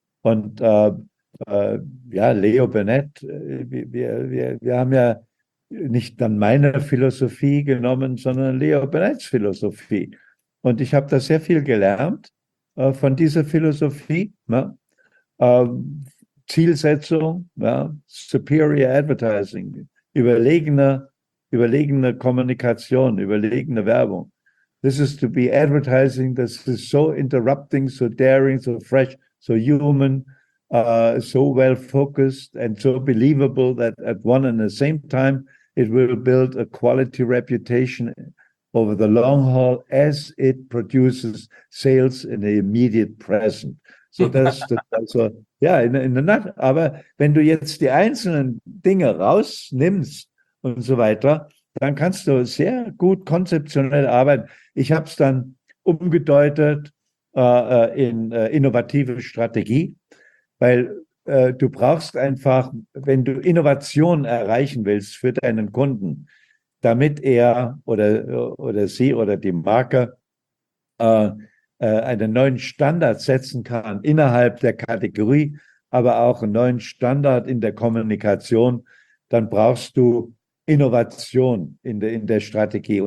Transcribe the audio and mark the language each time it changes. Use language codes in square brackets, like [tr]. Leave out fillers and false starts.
[de] Und Leo Burnett, wir haben ja nicht dann meine Philosophie genommen, sondern Leo Burnetts Philosophie. Und ich habe da sehr viel gelernt von dieser Philosophie. Ne? Zielsetzung, ja, superior advertising, überlegene Kommunikation, überlegene Werbung. [en] This is to be advertising that is so interrupting, so daring, so fresh, so human, so well focused and so believable that at one and the same time it will build a quality reputation over the long haul as it produces sales in the immediate present. [de] So aber wenn du jetzt die einzelnen Dinge rausnimmst und so weiter, dann kannst du sehr gut konzeptionell arbeiten. Ich habe es dann umgedeutet in innovative Strategie, weil du brauchst einfach, wenn du Innovation erreichen willst für deinen Kunden, damit er oder sie oder die Marke einen neuen Standard setzen kann innerhalb der Kategorie, aber auch einen neuen Standard in der Kommunikation, dann brauchst du Innovation in der Strategie.